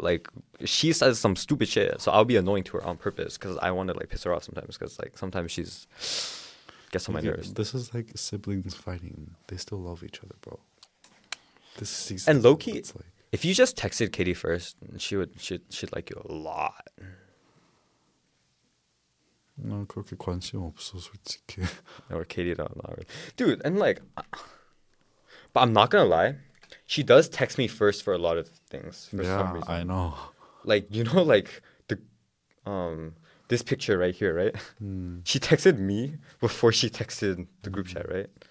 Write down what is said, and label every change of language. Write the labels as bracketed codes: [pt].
[en] Like, she says some stupid shit, so I'll be annoying to her on purpose because I want to piss her off sometimes because sometimes she's gets on my nerves. This is like siblings fighting. They still love each other, bro. This is and low-key, if you just texted Katie first, she'd like you a lot. [ko] No, 그렇게 관심 없어, 솔직히. [en] Or Katie, not really. Dude, and but I'm not gonna lie, she does text me first for a lot of things. Some reason. I know. Like, you know, like, the this picture right here, right? Mm. She texted me before she texted the group chat, right?